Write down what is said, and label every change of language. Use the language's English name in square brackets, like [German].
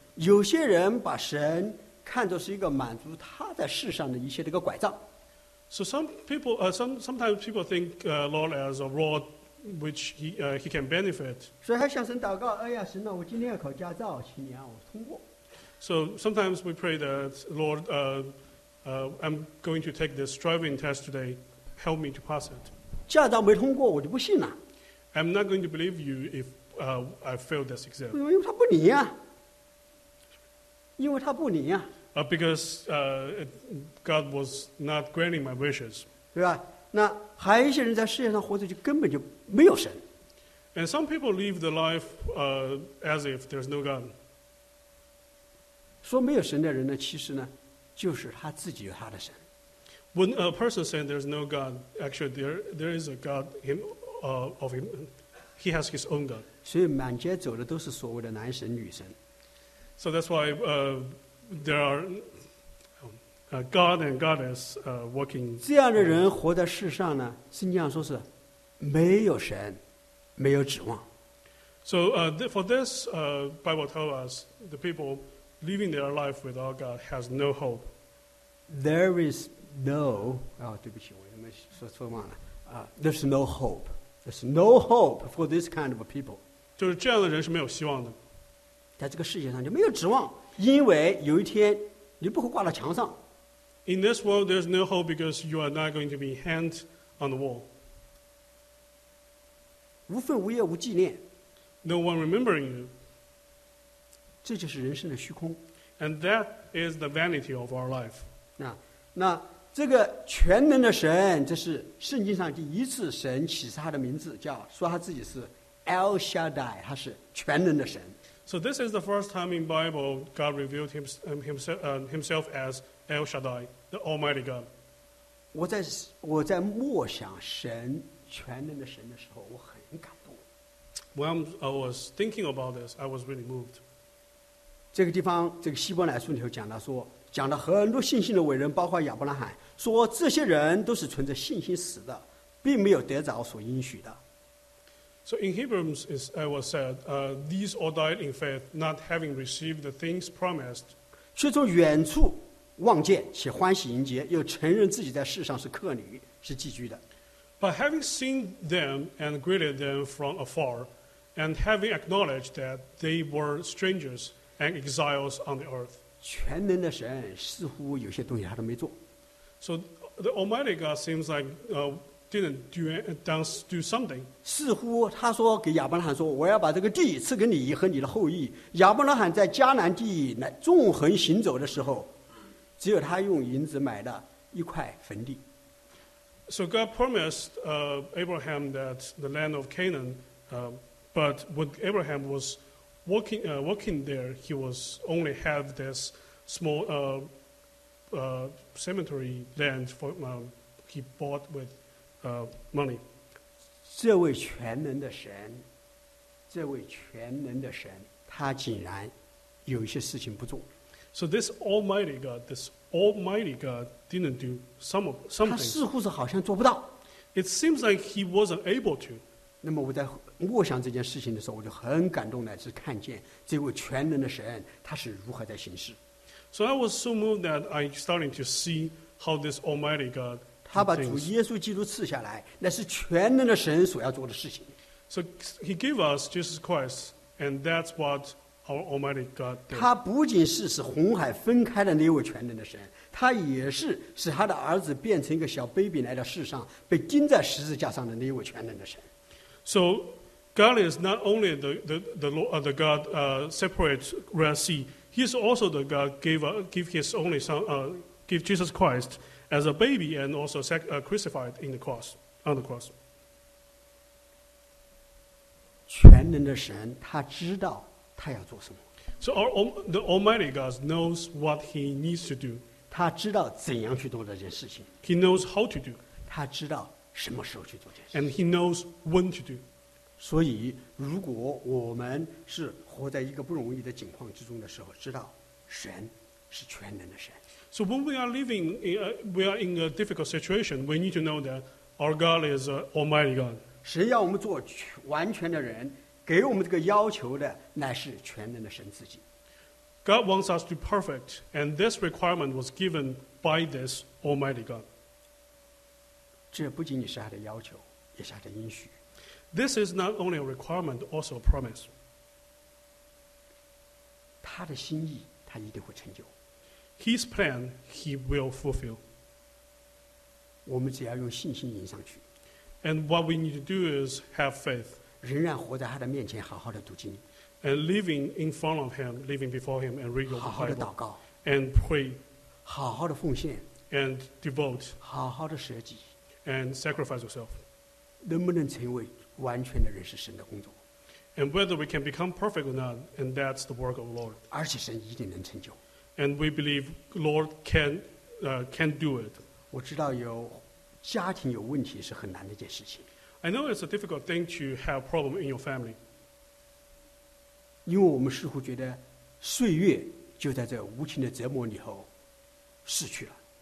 [Chinese] 有些人把神看作是一个满足他在世上的一切的一个拐杖。 [English] So sometimes people think Lord as a rod which he can benefit. [Chinese] 所以还向神祷告，哎呀，神呐，我今天要考驾照，请你让我通过。 [English] So sometimes we pray that, Lord, I'm going to take this driving test today. Help me to pass it. [Chinese] 驾照没通过，我就不信了。 [English] I'm not going to believe you if I fail this exam. [Chinese] 因为他不灵啊，因为他不灵啊。 [English] Because God was not granting my wishes. [Chinese] 对吧？那还有一些人在世界上活着，就根本就没有神。 [English] And some people live the life as if there's no God. [Chinese] 说没有神的人呢，其实呢，就是他自己有他的神。 [English] When a person says there's no God, actually there is a God him, of him, he has his own God. [Chinese] 所以满街走的都是所谓的男神女神。 [English] So that's why there are God and Goddess walking. [Chinese] 这样的人活在世上呢，圣经上说是没有神，没有指望。 [English] So for this, Bible tells us the people. Living their life without God has no hope. There is no. [Chinese] Oh, 对不起，我怎么说错忘了？ [English] There's no hope. There's no hope for this kind of people. [Chinese] 就是这样的人是没有希望的。但在这个世界上就没有指望，因为有一天你不会挂到墙上。 [English] In this world, there's no hope because you are not going to be hanged on the wall. [Chinese] 无份无业无纪念。 [English] No one remembering you. [Chinese] 这就是人生的虚空。 [English] And that is the vanity of our life. [Chinese] 那这个全能的神，这是圣经上第一次神启示他的名字，叫说他自己是 El Shaddai， 他是全能的神。 [English] So this is the first time in Bible God revealed himself as El Shaddai, the Almighty God. [Chinese] 我在默想神全能的神的时候，我很感动。 [English] When I was thinking about this, I was really moved. [Chinese] 这个地方，这个希伯来书里头讲到说，讲了很多信心的伟人，包括亚伯拉罕，说这些人都是存着信心死的，并没有得着所应许的。 [English] So in Hebrews, as I was said, these all died in faith, not having received the things promised. [Chinese] 却从远处望见，且欢喜迎接，又承认自己在世上是客旅，是寄居的。 [English] But having seen them and greeted them from afar, and having acknowledged that they were strangers and exiles on the earth. [Chinese] 全能的神似乎有些东西他都没做。 So the Almighty God seems like didn't do something. 似乎他说给亚伯拉罕说，我要把这个地赐给你和你的后裔。亚伯拉罕在迦南地来纵横行走的时候，只有他用银子买的一块坟地。 [English] So God promised Abraham that the land of Canaan, but when Abraham was walking there, he was only have this small cemetery land for he bought with money. [Chinese] 这位全能的神，这位全能的神，他竟然有一些事情不做。 [English] So this Almighty God didn't do something. [Chinese] 他似乎是好像做不到。 [English] It seems like he wasn't able to. [Chinese] 那么我在默想这件事情的时候，我就很感动，乃至看见这位全能的神他是如何在行事。 [English] So I was so moved that I started to see how this Almighty God. [Chinese] 他把主耶稣基督赐下来，那是全能的神所要做的事情。 [English] So he gave us Jesus Christ, and that's what our Almighty God did. [Chinese] 他不仅是红海分开的那位全能的神，他也是使他的儿子变成一个小 baby 来到世上，被钉在十字架上的那位全能的神。 [English] So God is not only the God separate Red Sea, he is also the God give his only son, give Jesus Christ as a baby and also crucified on the cross. [Chinese] 全能的神他知道他要做什么。 [English] So the Almighty God knows what he needs to do. [Chinese] 他知道怎样去做这件事情。 [English] He knows how to do. [Chinese] 他知道什么时候去做这件事。 [English] And he knows when to do. [Chinese] 所以如果我们是活在一个不容易的境况之中的时候，知道神是全能的神。 [English] So when we are in a difficult situation, we need to know that our God is an Almighty God. [Chinese] 神要我们做完全的人，给我们这个要求的乃是全能的神自己。 [English] God wants us to be perfect, and this requirement was given by this Almighty God. [Chinese] 这不仅仅是他的要求，也是他的应许。 [English] This is not only a requirement, also a promise. [Chinese] 他的心意，他一定会成就。 [English] His plan, he will fulfill. [Chinese] 我们只要用信心迎上去。 [English] And what we need to do is have faith. [Chinese] 仍然活在他的面前，好好的读经。 [English] And living in front of him, living before him, and read your Bible. [Chinese] 好好的祷告。 [English] And pray. [Chinese] 好好的奉献。 [English] And devote. [Chinese] 好好的舍己。 [English] And sacrifice yourself. [Chinese] 能不能成为完全的人是神的工作。 [English] And whether we can become perfect or not, and that's the work of the Lord. [Chinese] 而且神一定能成就。 [English] And we believe Lord can do it. [Chinese] 我知道有家庭有问题是很难的一件事情。 [English] I know it's a difficult thing to have a problem in your family. [Chinese] 因为我们似乎觉得岁月就在这无情的折磨里头逝去了。